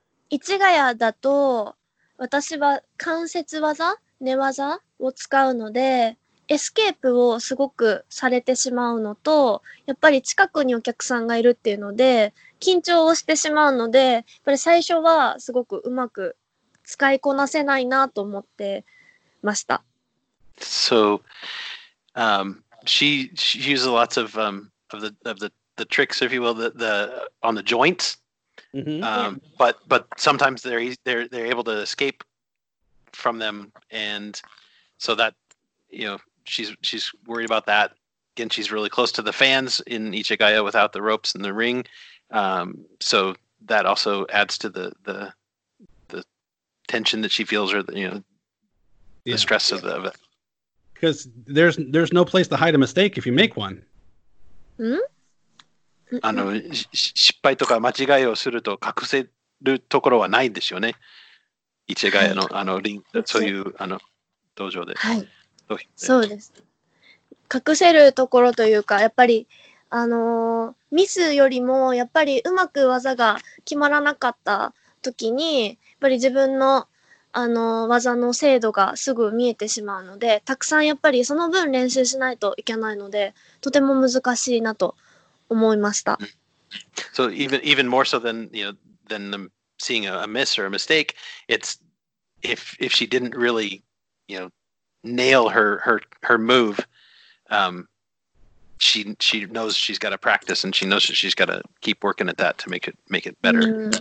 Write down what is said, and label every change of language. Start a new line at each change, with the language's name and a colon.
Japanese: Ichigaya だと私は関節技寝技を使うのでエスケープをすごくされてしまうのとやっぱり近くにお客さんがいるっていうので緊張をしてしまうのでやっぱり最初はすごくうまく使いこなせないなと思ってました。
English: So, she uses lots of the tricks, if you will, on the joints. But sometimes they're able to escape from them, and so that, you know, she's worried about that. Again, she's really close to the fans in Ichigaya without the ropes in the ring, so that also adds to the tension that she feels, or the stress of it, because there's no place to hide a mistake if you make one.
Japanese: あの、失敗とか間違いをすると隠せるところはないんですよね。イチガヤの、あの、リン、そういう、あの、道場で。はい。そうです。隠せるところというか、やっぱり、ミスよりも、やっぱりうまく技が決まらなかった時に、やっぱり自分の、技の精度がすぐ見えてしまうので、たくさんやっぱりその分練習しないといけないので、とても難しいなと思いました。
English: So even more so than, than the seeing a miss or a mistake, it's if she didn't really, nail her move, she knows she's got to practice, and she knows that she's got to keep working at that to make it better.